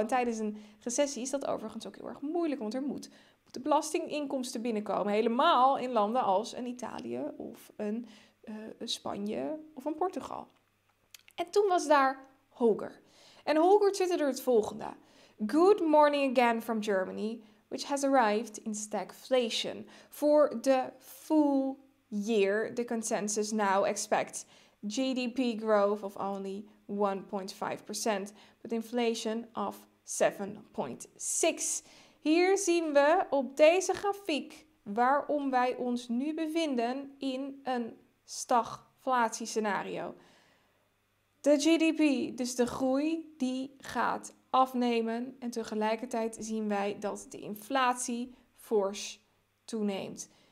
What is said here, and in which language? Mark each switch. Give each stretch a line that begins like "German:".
Dutch: En tijdens een recessie is dat overigens ook heel erg moeilijk. Want er moeten belastinginkomsten binnenkomen. Helemaal in landen als een Italië of een Spanje of een Portugal. En toen was daar Holger. En Holger twitterde het volgende.
English: Good Morning Again from Germany, which has arrived in stagflation. For the full year, the consensus now expects GDP growth of only 1.5%, but inflation of 7.6%.
Dutch: Hier zien we op deze grafiek waarom wij ons nu bevinden in een stagflatiescenario. De GDP, dus de groei, die gaat afnemen en tegelijkertijd zien wij dat de inflatie fors toeneemt.